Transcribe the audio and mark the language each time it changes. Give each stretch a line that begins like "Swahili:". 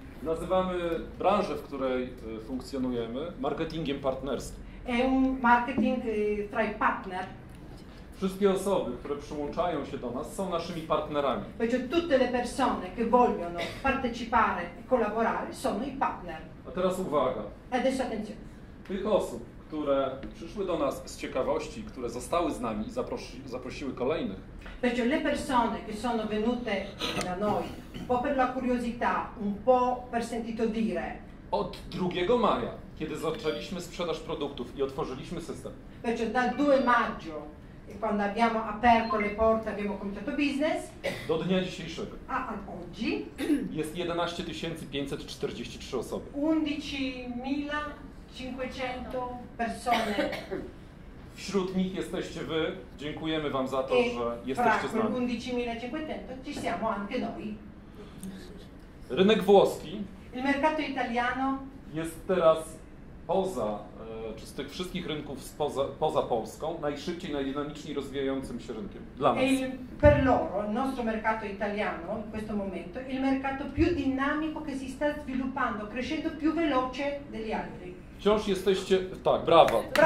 Polish: Nazywamy branżę, w której funkcjonujemy, marketingiem partnerskim.
Italian: È un marketing tra i partner.
Polish: Wszystkie osoby, które przyłączają się do nas, są naszymi partnerami.
Italian: Perciò tutte le persone che vogliono partecipare e collaborare sono i partner.
Polish: A teraz uwaga.
Italian: Adesso attenzione.
Polish: Tych osób, które przyszły do nas z ciekawości, które zostały z nami i zaprosiły kolejnych.
Italian: Perciò le persone che sono venute da noi, un po' per la curiosità, un po' per sentito dire.
Polish: Od 2 maja, kiedy zaczęliśmy sprzedaż produktów i otworzyliśmy system.
Italian: Perciò dal 2 maggio, quando abbiamo aperto le porte, abbiamo cominciato business.
Polish: Do dnia dzisiejszego.
Italian: A oggi?
Polish: Jest 11 543 osoby.
Italian: 11.500 persone.
Polish: Wśród nich jesteście wy. Dziękujemy wam za to, że jesteście z nami.
Italian: 11.500 ci siamo anche noi.
Polish: Rynek włoski.
Italian: Il mercato italiano.
Polish: Jest teraz poza, czy z tych wszystkich rynków poza Polską, najszybciej, najdynamiczniej rozwijającym się rynkiem dla nas.
Italian: Per loro, il nostro mercato italiano, in questo momento, il mercato più dinamico che si sta sviluppando, crescendo più veloce degli altri.
Polish: Wciąż jesteście, tak, brawa.